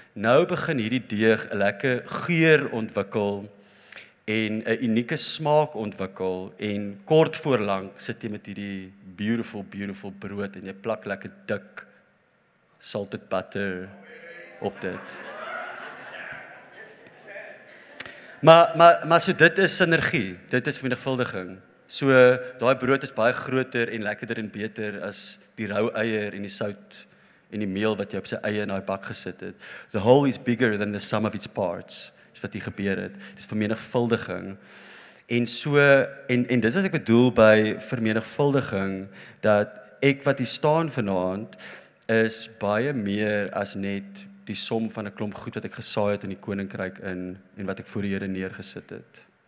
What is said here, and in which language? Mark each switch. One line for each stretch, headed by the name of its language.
Afrikaans: Nou begin hierdie deeg 'n lekker geur ontwikkel, en 'n unieke smaak ontwikkel, en kort voor lank sit jy met hierdie
English: beautiful, beautiful
Afrikaans: brood, en jy plak lekker dik
English: salted butter
Afrikaans: op dit. Maar so dit is synergie, dit is vermenigvuldiging. So, daai brood is baie groter en lekkerder en beter as die rou eier en die sout en die meel wat jy op sy eie in daai bak gesit het.
English: The whole is bigger than the sum of its parts.
Afrikaans: Wat hier gebeur het. Dis vermenigvuldiging. En so, en dit is wat ek bedoel by vermenigvuldiging, dat ek wat hier staan vanaand, is baie meer as net die som van 'n klomp goed wat ek gesaai het in die koninkryk in, en wat ek voor die Here neergesit het.